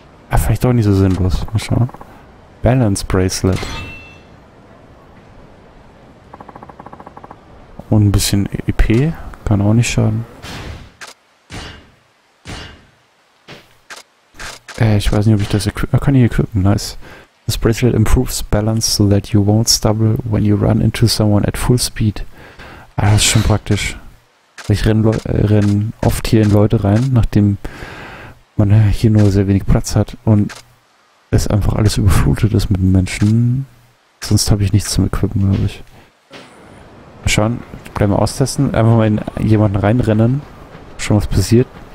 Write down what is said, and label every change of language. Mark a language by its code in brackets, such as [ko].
[de] Ja, vielleicht doch nicht so sinnlos. Mal schauen. Balance Bracelet. Und ein bisschen EP. Kann auch nicht schaden. Ich weiß nicht, ob ich das kann ich equipen. [en] Nice. This bracelet improves balance so that you won't stumble when you run into someone at full speed. [de] Ah, das ist schon praktisch. Ich renn oft hier in Leute rein, nachdem man hier nur sehr wenig Platz hat und es einfach alles überflutet ist mit Menschen. Sonst habe ich nichts zum Equipen, glaube ich. Mal schauen, bleib mal austesten. Einfach mal in jemanden reinrennen. Schon was passiert.